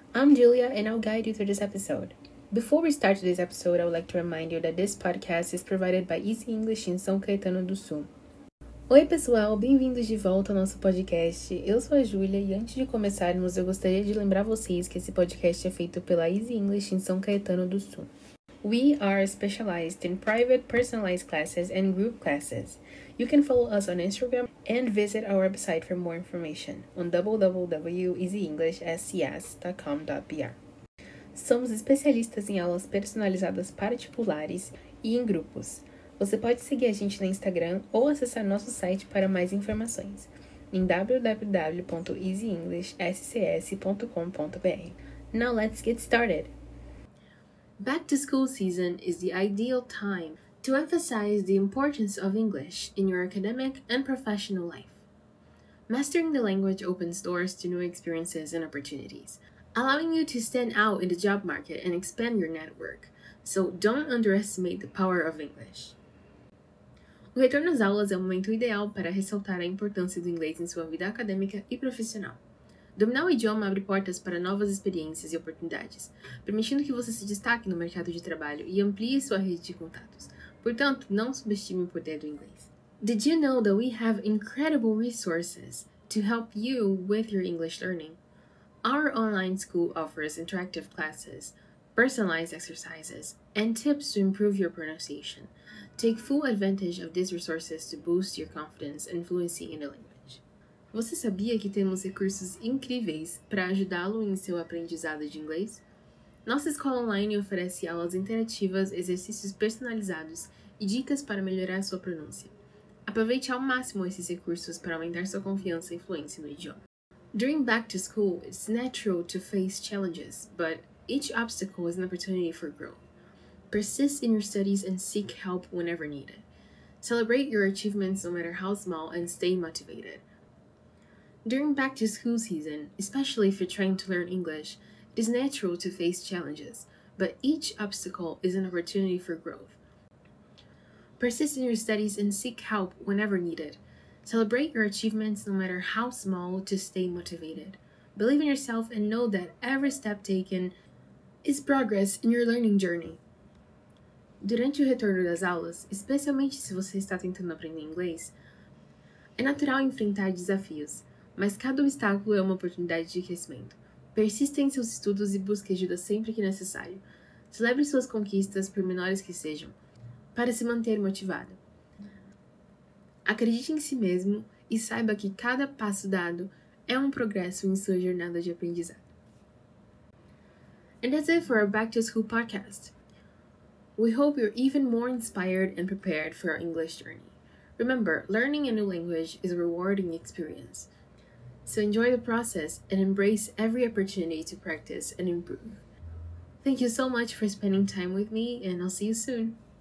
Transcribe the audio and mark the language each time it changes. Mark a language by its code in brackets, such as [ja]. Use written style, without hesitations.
[en] I'm Julia and I'll guide you through this episode. Before we start this episode, I would like to remind you that this podcast is provided by Easy English in São Caetano do Sul. [pt] Oi pessoal, bem-vindos de volta ao nosso podcast. Eu sou a Julia e antes de começarmos, eu gostaria de lembrar vocês que esse podcast é feito pela Easy English em São Caetano do Sul. [en] We are specialized in private personalized classes and group classes. You can follow us on Instagram and visit our website for more information on www.easyenglishscs.com.br. [pt] Somos especialistas em aulas personalizadas particulares e em grupos. Você pode seguir a gente no Instagram ou acessar nosso site para mais informações em www.easyenglishscs.com.br. [en] Now let's get started! Back to school season is the ideal time to emphasize the importance of English in your academic and professional life. Mastering the language opens doors to new experiences and opportunities, allowing you to stand out in the job market and expand your network. So don't underestimate the power of English. [pt] O retorno às aulas é o momento ideal para ressaltar a importância do inglês em sua vida acadêmica e profissional. Dominar o idioma abre portas para novas experiências e oportunidades, permitindo que você se destaque no mercado de trabalho e amplie sua rede de contatos. Portanto, não subestime o poder do inglês. [en] Did you know that we have incredible resources to help you with your English learning? Our online school offers interactive classes, personalized exercises, and tips to improve your pronunciation. Take full advantage of these resources to boost your confidence and fluency in the language. [pt] Você sabia que temos recursos incríveis para ajudá-lo em seu aprendizado de inglês? Nossa escola online oferece aulas interativas, exercícios personalizados e dicas para melhorar sua pronúncia. Aproveite ao máximo esses recursos para aumentar sua confiança e fluência no idioma. [en] During back to school, it's natural to face challenges, but each obstacle is an opportunity for growth. Persist in your studies and seek help whenever needed. Celebrate your achievements no matter how small and stay motivated. During back-to-school season, especially if you're trying to learn English, it is natural to face challenges, but each obstacle is an opportunity for growth. Persist in your studies and seek help whenever needed. Celebrate your achievements no matter how small to stay motivated. Believe in yourself and know that every step taken is progress in your learning journey. [pt] Durante o retorno das aulas, especialmente se você está tentando aprender inglês, é natural enfrentar desafios. Mas cada obstáculo é uma oportunidade de crescimento. Persista em seus estudos e busque ajuda sempre que necessário. Celebre suas conquistas, por menores que sejam, para se manter motivado. Acredite em si mesmo e saiba que cada passo dado é um progresso em sua jornada de aprendizado. [en] And that's it for our Back to School podcast. We hope you're even more inspired and prepared for our English journey. Remember, learning a new language is a rewarding experience. So enjoy the process and embrace every opportunity to practice and improve. Thank you so much for spending time with me, and I'll see you soon.